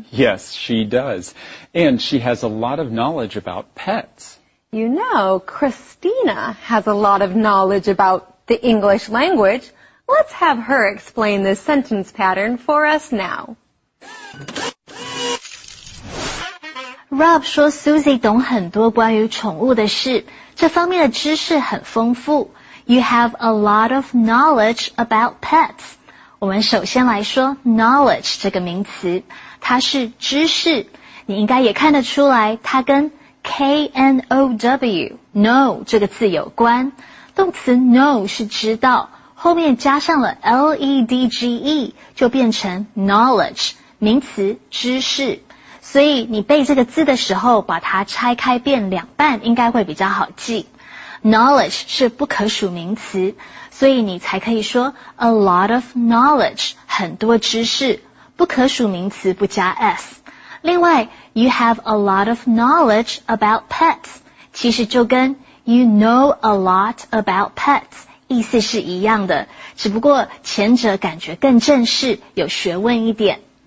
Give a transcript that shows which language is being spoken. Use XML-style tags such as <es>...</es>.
<en>Yes, she does. And she has a lot of knowledge about pets. You know, Christina has a lot of knowledge about the English language. Let's have her explain this sentence pattern for us now.</en> <zh>Rob 说 Susie 懂很多关于宠物的事, 这方面的知识很丰富.</zh> <en>You have a lot of knowledge about pets.</en> <zh>我们首先来说 knowledge 这个名词, 它是知识. 你应该也看得出来, 它跟 K-N-O-W, know 这个字有关. 动词 know 是知道, 后面加上了 L-E-D-G-E, 就变成 knowledge, 名词知识。所以你背这个字的时候, 把它拆开变两半, 应该会比较好记。 Knowledge 是不可数名词, 所以你才可以说 a lot of knowledge, 很多知识，不可数名词不加 s。另外 , you have a lot of knowledge about pets, 其实就跟 you know a lot about pets, 意思是一样的，只不过前者感觉更正式，有学问一点。</zh>